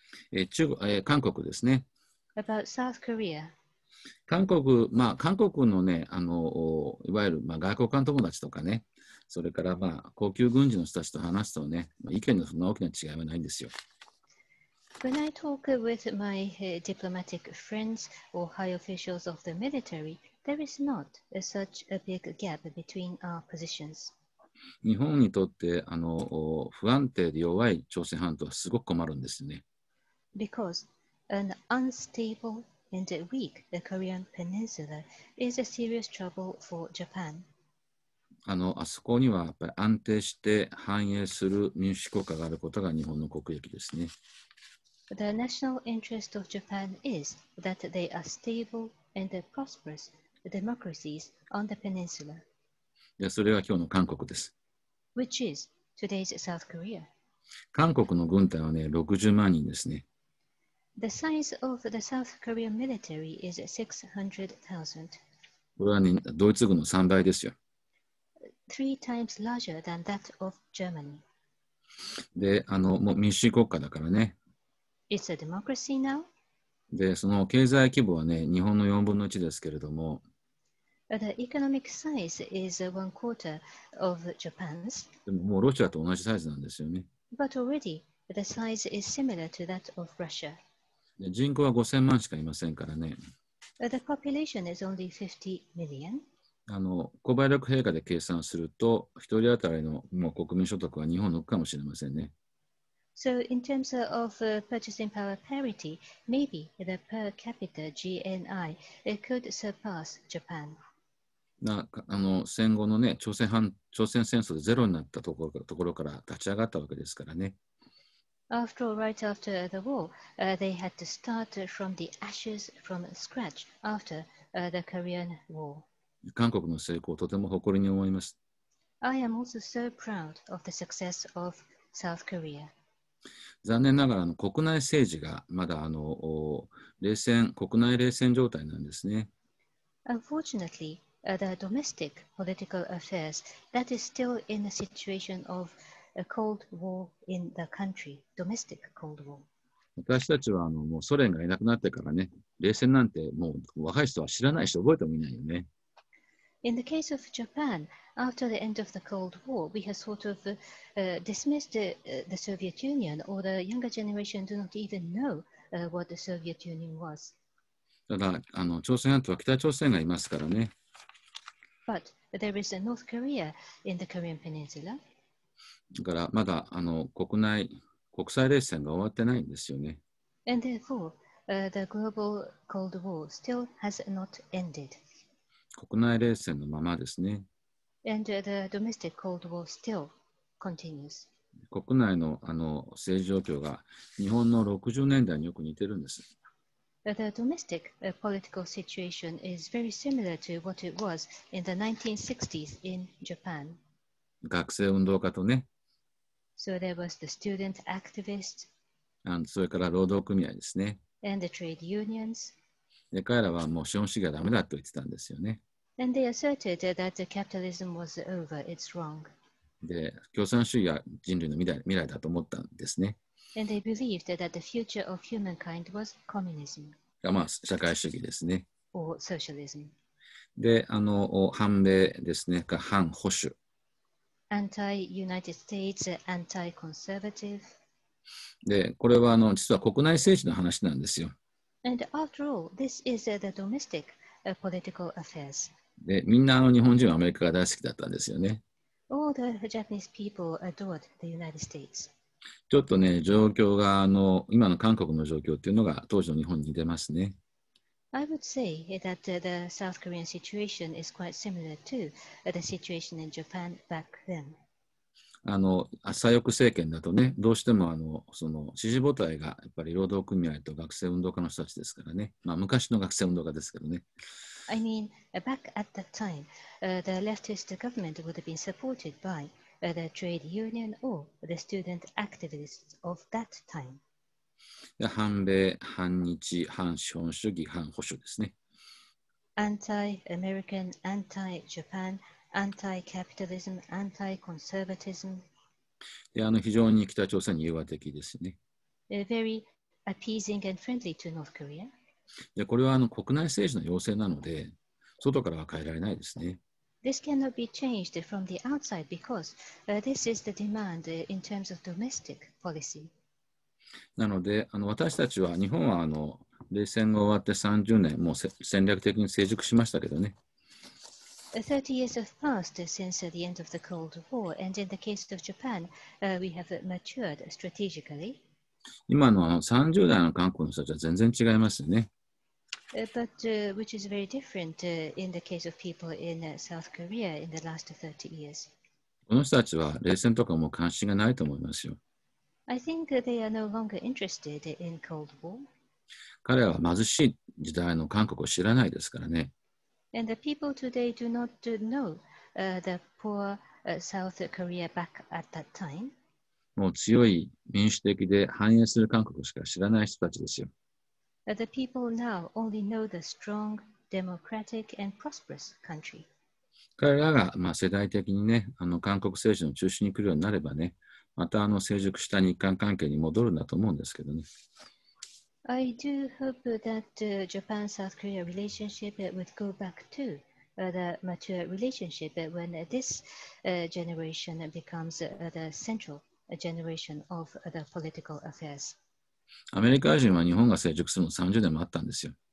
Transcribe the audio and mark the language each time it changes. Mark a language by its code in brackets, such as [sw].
[ja] 韓国ですね。 [en] About South Korea. [ja] 韓国、まあ、韓国のね、いわゆる、まあ、外交官友達とかね、それから、まあ、高級軍事の人たちと話すとね、まあ、意見のそんな大きな違いはないんですよ。 [en] When I talk with my diplomatic friends or high officials of the military, there is not such a big gap between our positions. [ja] 日本にとって不安定で弱い朝鮮半島はすごく困るんですよね。 [en] Because an unstable and weak Korean peninsula is a serious trouble for Japan. [ja] あそこにはやっぱり安定して繁栄する民主国家があることが日本の国益ですね。 [en] The national interest of Japan is that they are stable and prosperous democracies on the peninsula. [ja] で、それが今日の韓国です。 [en] Which is today's South Korea. [ja] 韓国の軍隊はね、60万人ですね。 [en] The size of the South Korean military is 600,000. [ja] これはね、ドイツ軍の3倍ですよ。 [en] Three times larger than that of Germany. [ja] で、もう民主国家だからね。 [en] It's a democracy now. [ja] で、その経済規模はね、日本の4分の1ですけれども。 [en] The economic size is one quarter of Japan's. [ja] でも、もうロシアと同じサイズなんですよね。 [en] But already, the size is similar to that of Russia. [ja] で、人口は5000万しかいませんからね。 [en] The population is only 50 million. [ja] 購買力平価で計算すると、1人当たりのもう国民所得は日本のかもしれませんね。 [en] So, in terms of purchasing power parity, maybe the per capita GNI could surpass Japan. [ja] 戦後のね、朝鮮戦争でゼロになったところから立ち上がったわけですからね。 [en] After all, right after the war, they had to start from the ashes from scratch after the Korean War. [ja] 韓国の成功をとても誇りに思います。 [en] I am also so proud of the success of South Korea. [ja] 残念ながら国内政治がまだ国内冷戦状態なんですね。 [en] Unfortunately, the domestic political affairs, that is still in a situation of a cold war in the country, domestic cold war. [ja] 私たちはもうソ連がいなくなってからね、冷戦なんてもう若い人は知らないし覚えてもいないよね。 [en] In the case of Japan, after the end of the Cold War, we have sort of dismissed the Soviet Union, or the younger generation do not even know what the Soviet Union was. [ja] ただ、朝鮮半島は北朝鮮がいますからね。 [en] But there is a North Korea in the Korean Peninsula. [ja] だから、まだ国際冷戦が終わってないんですよね。 [en] And therefore, the global Cold War still has not ended. [ja] 国内冷戦のままですね。 [en] And the domestic Cold War still continues. [ja] 国内の政治状況が日本の60年代によく似てるんです。 [en] The domestic political situation is very similar to what it was in the 1960s in Japan. [ja] 学生運動家とね。 [en] So there was the student activist. [ja] それから労働組合ですね。 [en] And the trade unions. [ja] で彼らはもう資本主義はダメだと言ってたんですよね。 [en] And they asserted that the capitalism was over, it's wrong. [ja] で、共産主義は人類の未来だと思ったんですね。 [en] And they believed that the future of humankind was communism. [ja] がまあ社会主義ですね。 [en] Or socialism. [ja] で、反米ですね、か反保守。 [en] Anti-United States, anti-conservative. [ja] で、これは実は国内政治の話なんですよ。 [en] And after all, this is the domestic political affairs. [ja] で、みんな日本人はアメリカが大好きだったんですよね。 [en] All the Japanese people adored the United States. [ja] ちょっとね、状況が今の韓国の状況っていうのが当時の日本に似てますね。 [en] I would say that the South Korean situation is quite similar to the situation in Japan back then. [ja] 左翼政権だとね、どうしてもその支持母体がやっぱり労働組合と学生運動家の人たちですからね、まあ、昔の学生運動家ですけどね。 [en] I mean, back at that time, the leftist government would have been supported by the trade union or the student activists of that time. [ja] 反米、反日、反資本主義、反保守ですね。 [en] Anti-American, anti-Japan. Anti-capitalism, anti-conservatism. [ja] 非常に北朝鮮に融和的ですね。 [en] Very appeasing and friendly to North Korea. [ja] で、これは国内政治の要請なので、外からは変えられないですね。 [en] This cannot be changed from the outside because this is the demand in terms of domestic policy. [ja] なので、私たちは、日本は冷戦が終わって30年、もう戦略的に成熟しましたけどね。 [en] 30 years have passed since the end of the Cold War, and in the case of Japan, we have matured strategically. [ja] 今の30代の韓国の人たちは全然違いますよね。 [en] But which is very different in the case of people in South Korea in the last 30 years. [ja] この人たちは冷戦とかも関心がないと思いますよ。 [en] I think they are no longer interested in Cold War. [ja] 彼らは貧しい時代の韓国を知らないですからね。 [en] And the people today do not know the poor South Korea back at that time. [ja] もう強い民主的で繁栄する韓国しか知らない人たちですよ。 [en] The people now only know the strong, democratic and prosperous country. [ja] 彼らが、まあ、世代的にね、韓国政治の中心に来るようになればね、また成熟した日韓関係に戻るんだと思うんですけどね。 [en] I do hope that Japan-South Korea relationship would go back to the mature relationship when this generation becomes the central generation of the political affairs. [ja] アメリカ人は日本が成熟するの30年もあったんですよ。